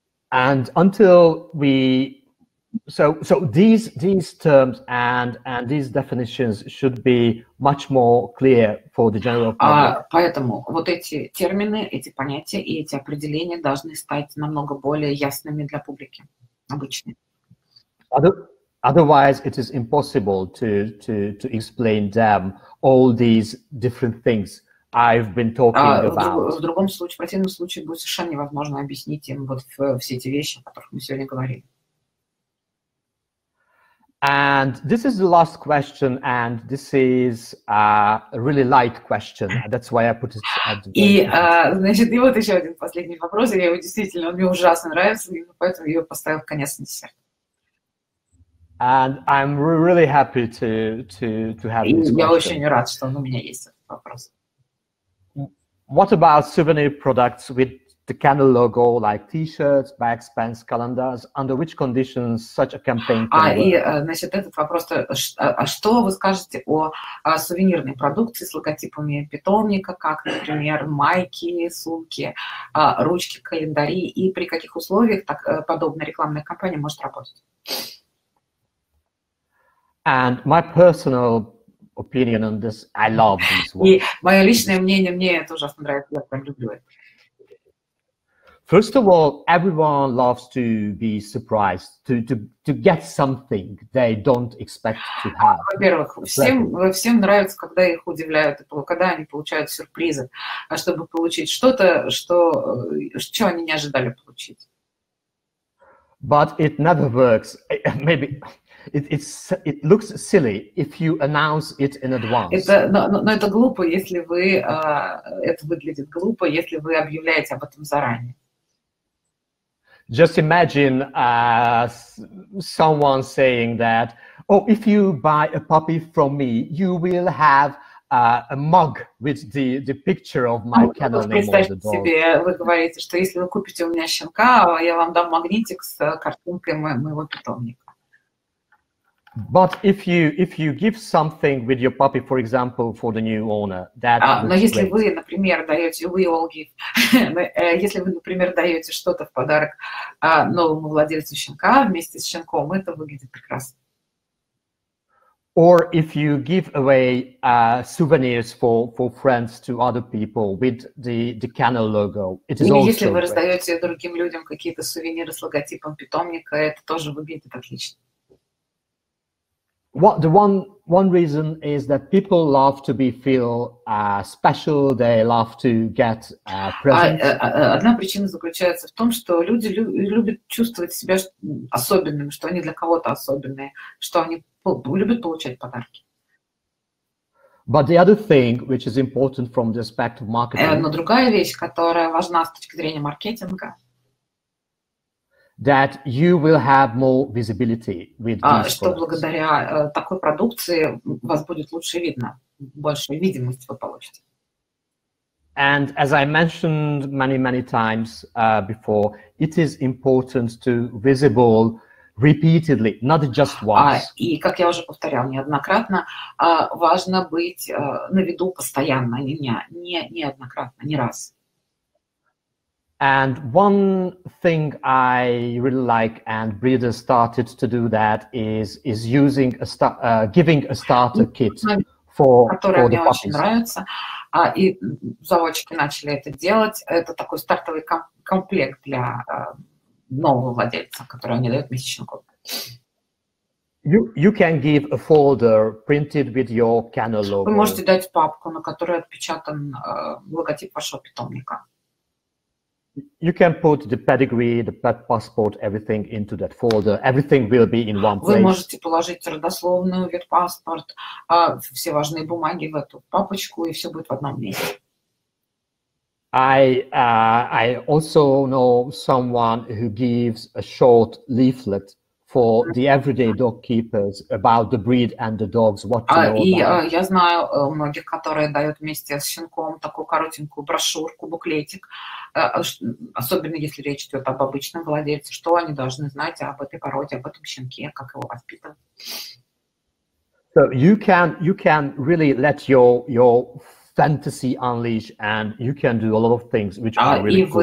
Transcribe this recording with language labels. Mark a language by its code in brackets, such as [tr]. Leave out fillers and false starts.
[en] And until we so these terms and these definitions should be much more clear for the general public. [ru] Поэтому вот эти термины, эти понятия и эти определения должны стать намного более ясными для публики обычной. [en] Otherwise, it is impossible to explain them all these different things I've been talking about. [ru] В противном случае будет совершенно невозможно объяснить им вот все эти вещи, о которых мы сегодня говорили. [en] And this is the last question, and this is a really light question. That's why I put it at the end. [ru] И вот еще один последний вопрос. Я его действительно, он мне ужасно нравится, поэтому я его поставил в конец на десерт. [en] And I'm really happy to have this question. [ru] Я очень рад, что он у меня есть, этот вопрос. [en] What about souvenir products with the kennel logo, like t-shirts, bags, pens, calendars? Under which conditions such a campaign can work? [ru] Этот вопрос, что вы скажете о сувенирной продукции с логотипами питомника, как, например, майки, сумки, ручки, календари, и при каких условиях так подобная рекламная кампания может работать? [en] And my personal opinion on this, I love these ones. [ru] И мое личное мнение, мне это ужасно нравится, я прям люблю это. [en] First of all, everyone loves to be surprised, to get something they don't expect to have. [ru] Во-первых, всем нравится, когда их удивляют, когда они получают сюрпризы. А чтобы получить что-то, что они не ожидали получить. [en] But it never works. Maybe it looks silly if you announce it in advance. [ru] Но это глупо, если вы это выглядит глупо, если вы объявляете об этом заранее. [en] Just imagine someone saying that, oh, if you buy a puppy from me, you will have a mug with the picture of my kennel name on the dog. [ru] Представьте себе, вы говорите, что если вы купите у меня щенка, я вам дам магнитик с картинкой моего питомника. [en] But if you give something with your puppy, for example, for the new owner, that [ru] но если вы, например, даете, [en] we all give, [ru] если вы, например, даете что-то в подарок новому владельцу щенка вместе с щенком, это выглядит прекрасно. [en] Or if you give away souvenirs for friends to other people with the kennel logo, it is also. [ru] Если вы раздаете другим людям какие-то сувениры с логотипом питомника, это тоже выглядит отлично. [en] What the one reason is that people love to be feel special. They love to get presents. [ru] Одна причина заключается в том, что люди любят чувствовать себя особенным, что они для кого-то особенные, что они любят получать подарки. [en] But the other thing, which is important from the aspect of marketing. [ru] Но другая вещь, которая важна с точки зрения маркетинга. [en] That you will have more visibility with these products. [ru] Что благодаря такой продукции вас будет лучше видно, большую видимость вы получите. [en] And as I mentioned many, many times before, it is important to visible repeatedly, not just once. [ru] И как я уже повторял неоднократно, важно быть на виду постоянно, неоднократно, не раз. [en] And one thing I really like, and breeders started to do that, is using giving a starter kit for the puppies. [ru] Которая мне очень нравится, и заводчики начали это делать. Это такой стартовый комплект для нового владельца, который они дают месячнику. [en] You can give a folder printed with your kennel logo. [ru] Вы можете дать папку, на которой отпечатан логотип вашего питомника. [en] You can put the pedigree, the pet passport, everything into that folder. Everything will be in one place. [ru] Вы можете положить родословную, ветпаспорт, все важные бумаги в эту папочку, и все будет в одном месте. [en] I also know someone who gives a short leaflet for the everyday dog keepers about the breed and the dogs, what to know. [ru] Я знаю многих, которые дают вместе с щенком такую коротенькую брошюрку, буклетик, особенно если речь идет об обычном владельце, что они должны знать об этой породе, об этом щенке, как его воспитывать. [en] So you can really let your fantasy unleash, and you can do a lot of things, which are really cool.